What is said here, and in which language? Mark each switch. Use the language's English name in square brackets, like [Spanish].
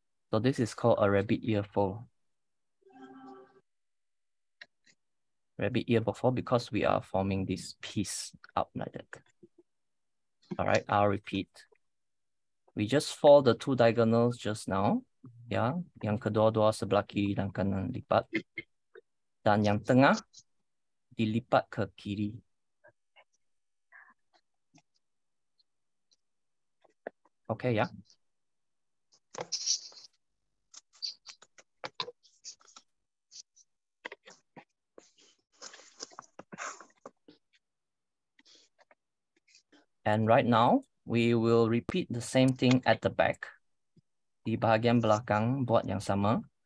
[English] So this is called a rabbit ear fold. Rabbit ear before, because we are forming this piece up like that. All right, I'll repeat. We just fold the two diagonals just now. [Malay] Yeah, yang kedua-dua sebelah kiri dan kanan lipat. Dan yang tengah dilipat ke kiri. [English] Okay, yeah. And right now, we will repeat the same thing at the back. [Malay] Di bahagian belakang, buat yang sama.